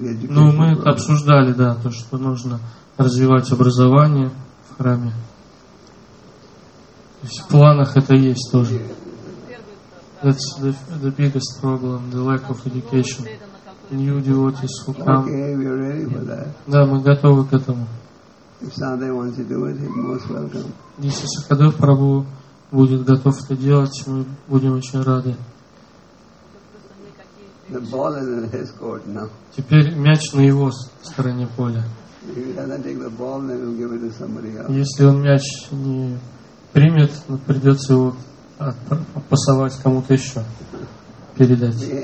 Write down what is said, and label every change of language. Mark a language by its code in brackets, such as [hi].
[ru] Но мы это обсуждали, да, то, что нужно развивать образование в храме. То есть в планах это есть тоже. [en] That's the biggest problem, the lack of education. New devotees who come. Okay, we are ready for that. [ru] Да, мы готовы к этому. [en] If Sahadev wants to do it, he's most welcome. [ru] Если Сахадев Прабу будет готов это делать, мы будем очень рады. [en] The ball is in his court now. [ru] Теперь мяч на его стороне поля. [en] If he doesn't take the ball, then he'll give it to somebody else. [ru] Если он мяч не примет, придется его пасовать кому-то еще. Передать.